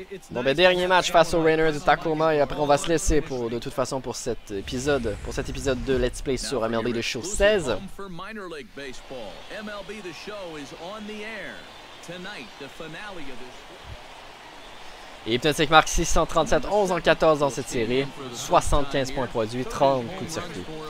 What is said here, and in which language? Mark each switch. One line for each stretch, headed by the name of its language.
French: Bon, ben, dernier match face aux Rainiers de Tacoma, et après, on va se laisser pour, de toute façon pour cet épisode de Let's Play sur MLB The Show 16.
English: MLB The Show is on the air. Tonight, the finale of this.
French: Hypnotic Marc 637, 11-14 dans cette série, 75 points produits, 30 coups de circuit.